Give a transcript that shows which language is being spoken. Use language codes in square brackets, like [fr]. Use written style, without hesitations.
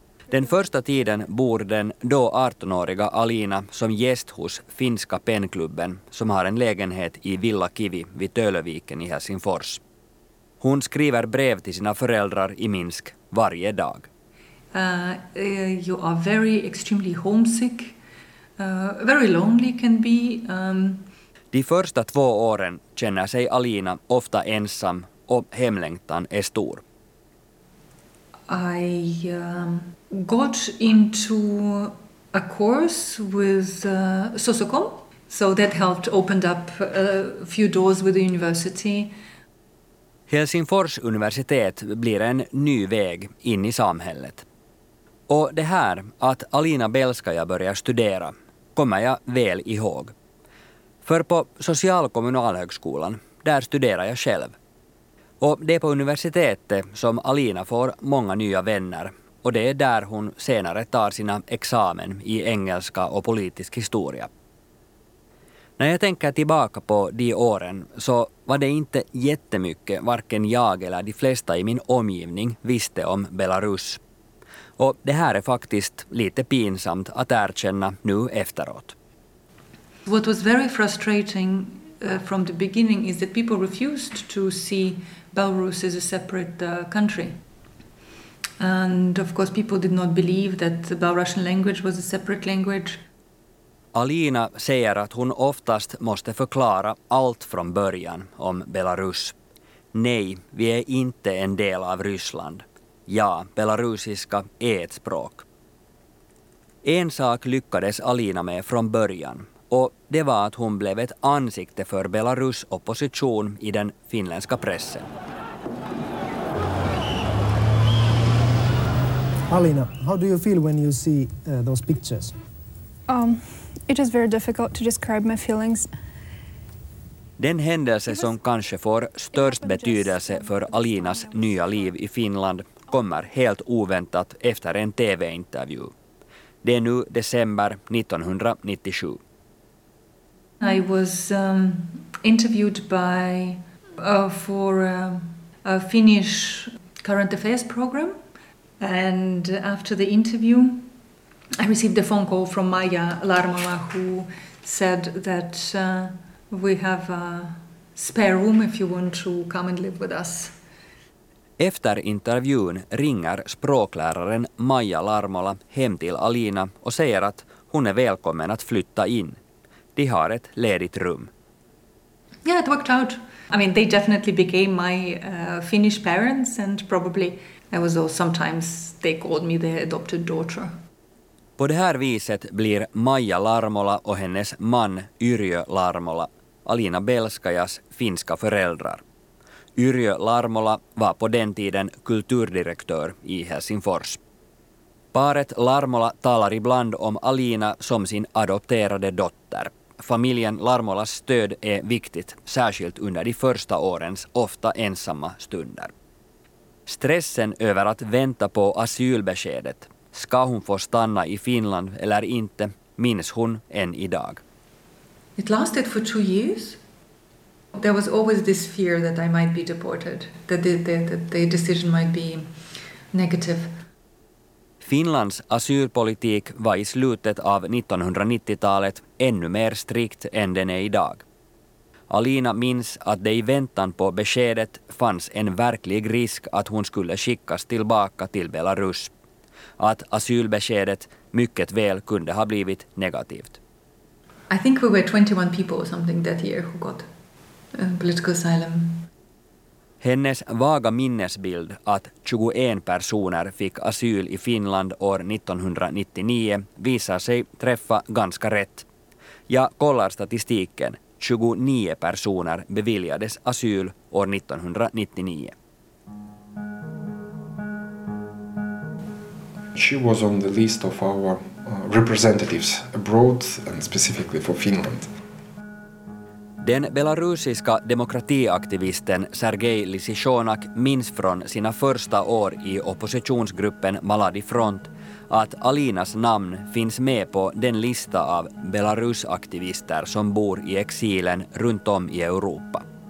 [sv] Den första tiden bor den då 18-åriga Alina som gäst hos Finska Penklubben, som har en lägenhet i Villa Kivi vid Töleviken i Helsingfors. Hon skriver brev till sina föräldrar i Minsk varje dag. [en] You are very extremely homesick, very lonely can be. [sv] De första två åren känner sig Alina ofta ensam och hemlängtan är stor. [en] I got into a course with Sosokom, so that helped opened up a few doors with the university. [sv] Helsingfors universitet blir en ny väg in i samhället. Och det här att Alina Belskaja börjar studera kommer jag väl ihåg. För på Socialkommunalhögskolan, där studerar jag själv. Och det är på universitetet som Alina får många nya vänner. Och det är där hon senare tar sina examen i engelska och politisk historia. När jag tänker tillbaka på de åren så var det inte jättemycket varken jag eller de flesta i min omgivning visste om Belarus. Och det här är faktiskt lite pinsamt att erkänna nu efteråt. [en] What was very frustrating from the beginning is that people refused to see Belarus as a separate country. And of course people did not believe that the Belarusian language was a separate language. [sv] Alina säger att hon oftast måste förklara allt från början om Belarus. Nej, vi är inte en del av Ryssland. Ja, belarusiska är ett språk. En sak lyckades Alina med från början, och det var att hon blev ett ansikte för Belarus opposition i den finländska pressen. [en] Alina, how do you feel when you see those pictures? It is very difficult to describe my feelings. [sv] Den händelse som kanske får störst betydelse för Alinas nya liv i Finland kommer helt oväntat efter en TV-intervju. Det är nu december 1997. [en] I was interviewed by for a Finnish current affairs program, and after the interview I received a phone call from Maija Larmala, who said that we have a spare room if you want to come and live with us. [sv] Efter intervjun ringer språkläraren Maija Larmala hem till Alina och säger att hon är välkommen att flytta in. De har ett ledigt rum. [en] Yeah, it worked out. I mean, they definitely became my Finnish parents, and probably I was also sometimes they called me their adopted daughter. [sv] På det här viset blir Maija Larmala och hennes man Yrjö Larmala Alina Belskajas finska föräldrar. Yrjö Larmala var på den tiden kulturdirektör i Helsingfors. Paret Larmala talar ibland om Alina som sin adopterade dotter. Familjen Larmolas stöd är viktigt, särskilt under de första årens ofta ensamma stunder. Stressen över att vänta på asylbeskedet, ska hon få stanna i Finland eller inte, minns hon än idag. [en] It lasted for 2 years. There was always this fear that I might be deported, that the decision might be negative. [sv] Finlands asylpolitik var i slutet av 1990-talet ännu mer strikt än den är idag. Alina minns att det i väntan på beskedet fanns en verklig risk att hon skulle skickas tillbaka till Belarus. Att asylbeskedet mycket väl kunde ha blivit negativt. [en] I think we were 21 people or something that year who got political asylum. [sv] Hennes vaga minnesbild att 21 personer fick asyl i Finland år 1999 visar sig träffa ganska rätt. Jag kollar statistiken. 29 personer beviljades asyl år 1999. [en] She was on the list of our representatives abroad and specifically for Finland. [sv] Den belarusiska demokratiaktivisten Sergej Lisichonak minns från sina första år i oppositionsgruppen Maladi Front att Alinas namn finns med på den lista av belarusaktivister som bor i exilen runt om i Europa.